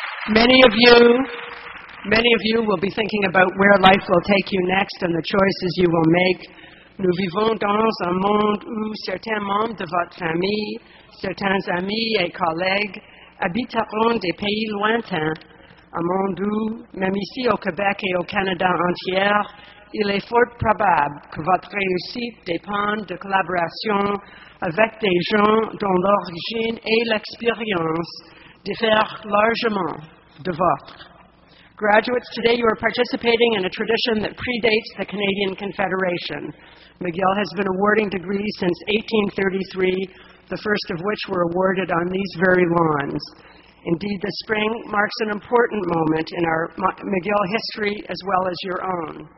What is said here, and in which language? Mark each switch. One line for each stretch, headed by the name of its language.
English: Many of you will be thinking about where life will take you next and the choices you will make.
French: Nous vivons dans un monde où certains membres de votre famille, certains amis et collègues habiteront des pays lointains. Un monde où, même ici au Québec et au Canada entier, il est fort probable que votre réussite dépende de collaboration avec des gens dont l'origine et l'expérience diffèrent largement de votre.
English: Graduates, today you are participating in a tradition that predates the Canadian Confederation. McGill has been awarding degrees since 1833, the first of which were awarded on these very lawns. Indeed, the spring marks an important moment in our McGill history as well as your own.